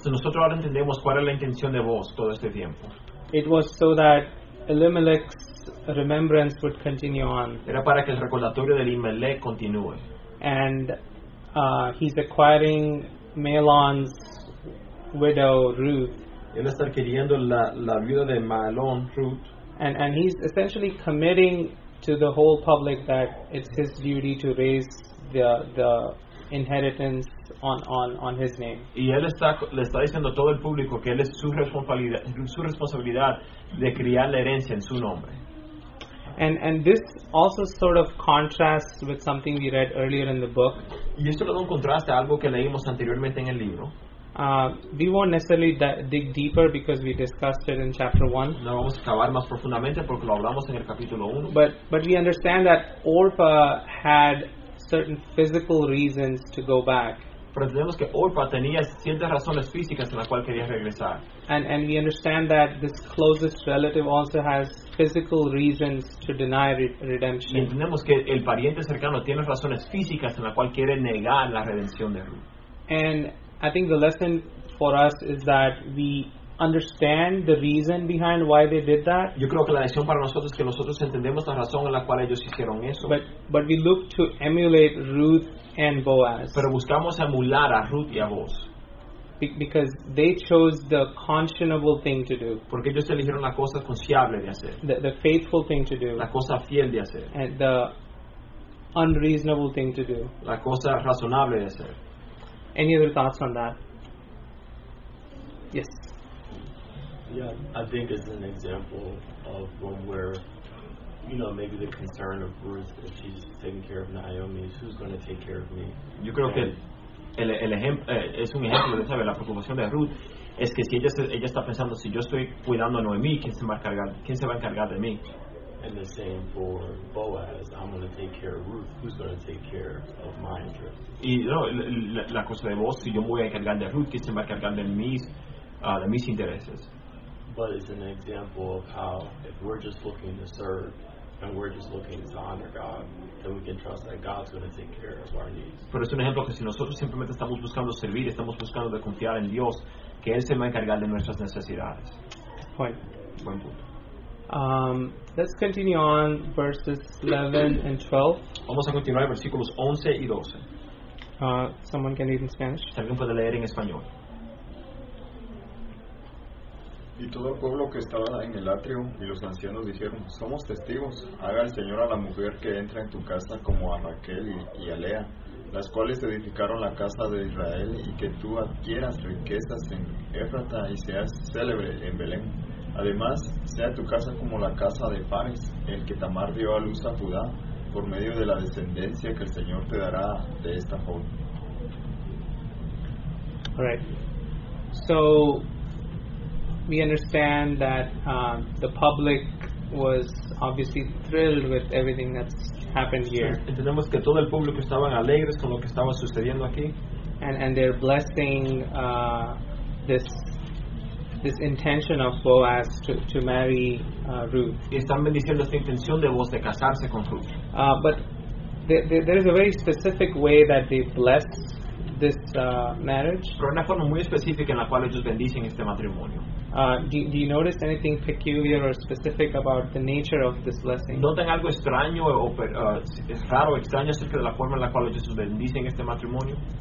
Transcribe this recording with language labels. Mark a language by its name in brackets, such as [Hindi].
[Spanish] So nosotros ahora entendemos cuál era la intención de Boaz todo este tiempo. [English] It was so that Elimelech's remembrance would continue on. [Spanish] Era para que el recordatorio de Elimelech continúe. [English] And he's acquiring Mahlon's widow Ruth. [Spanish] Él está adquiriendo la viuda de Mahlon Ruth. [English] And he's essentially committing to the whole public that it's his duty to raise the inheritance on his name. [Spanish] Y él le está diciendo todo el público que él es su responsabilidad de criar la herencia en su nombre. [English] And this also sort of contrasts with something we read earlier in the book. [Spanish] Y esto le da un contraste a algo que leímos anteriormente en el libro. [English] We won't necessarily dig deeper because we discussed it in chapter 1. [Spanish] No vamos a cavar más profundamente porque lo hablamos en el capítulo 1. [English] But we understand that Orpah had certain physical reasons to go back. [Spanish] Pero entendemos que Orpah tenía ciertas razones físicas en las cuales quería regresar. [English] And we understand that this closest relative also has physical reasons to deny redemption. [Spanish] Y entendemos que el pariente cercano tiene razones físicas en las cuales quiere negar la redención de Ruth. [English] And I think the lesson for us is that we understand the reason behind why they did that. [Spanish] Yo creo que la lección para nosotros es que nosotros entendemos la razón en la cual ellos hicieron eso. [English] But we look to emulate Ruth and Boaz. [Spanish] Pero buscamos emular a Ruth y a Boaz. [English] because they chose the conscionable thing to do. [Spanish] Porque ellos eligieron la cosa confiable de hacer. [English] The faithful thing to do. [Spanish] La cosa fiel de hacer. [English] And the unreasonable thing to do. [Spanish] La cosa razonable de hacer. [English] Any other thoughts on that? Yes. Yeah, I think it's an example of one where, you know, maybe the concern of Ruth that she's taking care of Naomi is who's going to take care of me. [Spanish] Yo creo que es un ejemplo de saber la preocupación de Ruth es que si ella está pensando si yo estoy cuidando a Noemí, quién se va a encargar de mí. [English] And the same for Boaz, I'm going to take care of Ruth. Who's going to take care of my interests? [Spanish] Y no, la cosa de vos, si yo voy a encargar de Ruth, quién se va a encargar de mis intereses. [English] But it's an example of how if we're just looking to serve and we're just looking to honor God, then we can trust that God's going to take care of our needs. [Spanish] Pero es un ejemplo que si nosotros simplemente estamos buscando servir, estamos buscando de confiar en Dios, que Él se va a encargar de nuestras necesidades. Buen punto. [English] Let's continue on verses 11 and 12. [Spanish] Vamos a continuar versículos 11 y 12. [English] Someone can read in Spanish. [Spanish] ¿Alguien puede leer en español? Y todo el pueblo que estaba en el atrio y los ancianos dijeron: somos testigos, haga el Señor a la mujer que entra en tu casa como a Raquel y a Lea, las cuales edificaron la casa de Israel, y que tú adquieras riquezas en Éfrata y seas célebre en Belén. Además, sea tu casa como la casa de Fares, el que Tamar dio a luz a Judá, por medio de la descendencia que el Señor te dará de esta joven. [English] Alright, so we understand that the public was obviously thrilled with everything that's happened here. [Spanish] Entendemos que todo el público estaban alegres con lo que estaba sucediendo aquí. [English] And they're blessing this intention of Boaz to marry Ruth. [Spanish] Y están bendiciendo esta intención de Boaz de casarse con Ruth. [English] But there is a very specific way that they bless this marriage. [Spanish] Pero una forma muy específica en la cual ellos bendicen este matrimonio. [English] Do you notice anything peculiar or specific about the nature of this blessing? [Spanish] ¿Notan algo extraño o es raro, extraño acerca de la forma en la cual ellos bendicen este matrimonio?